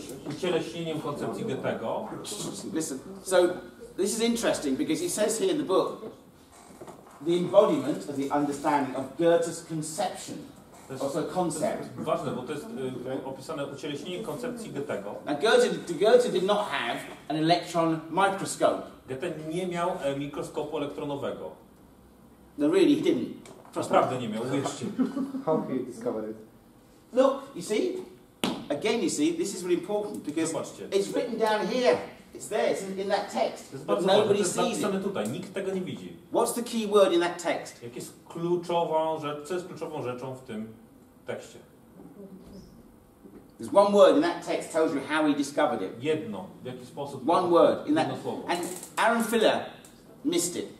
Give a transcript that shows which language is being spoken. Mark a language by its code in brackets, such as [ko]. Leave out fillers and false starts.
[pl] ucieleśnieniem koncepcji Goethego. [en] Listen, so this is interesting because he says here in the book the embodiment of the understanding of Goethe's conception. Also concept. [pl] Ważne, bo to jest opisane ucieleśnienie koncepcji Goethego. [en] Now Goethe did not have an electron microscope. [pl] Goethe nie miał mikroskopu elektronowego. [en] No really, he didn't. [pl] Naprawdę nie miał, wierzcie. [en] How he discovered it? Look, you see? Again, you see, this is really important because [pl] zobaczcie. [en] It's written down here. It's there, it's in that text. But nobody sees it. [pl] Tutaj. Nikt tego nie widzi. [en] What's the key word in that text? [pl] Jak jest kluczową rzecz, co jest kluczową rzeczą w tym tekście? [en] There's one word in that text tells you how he discovered it. [pl] Jedno, w jaki sposób. [en] One word in that. And Aaron Filler missed it.